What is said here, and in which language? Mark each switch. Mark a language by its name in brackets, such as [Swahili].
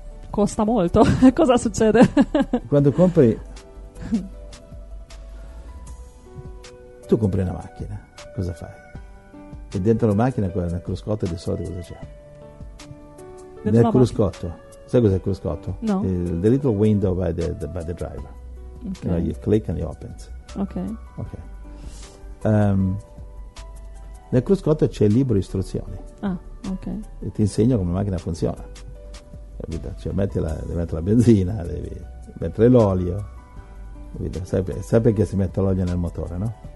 [Italian] Costa molto. Cosa succede? Tu compri una macchina, cosa fai? E dentro la macchina, nel cruscotto, di solito cosa c'è? Dentro nel cruscotto. Sai cos'è il cruscotto? No. [English] The little window by the driver. Okay. You know, you click and it opens. Ok. Ok. [Italian] Nel cruscotto c'è il libro di istruzioni. Ah, ok. E ti insegno come la macchina funziona. Cioè metti la benzina, devi mettere l'olio, capito? Sai perché si mette l'olio nel motore, no?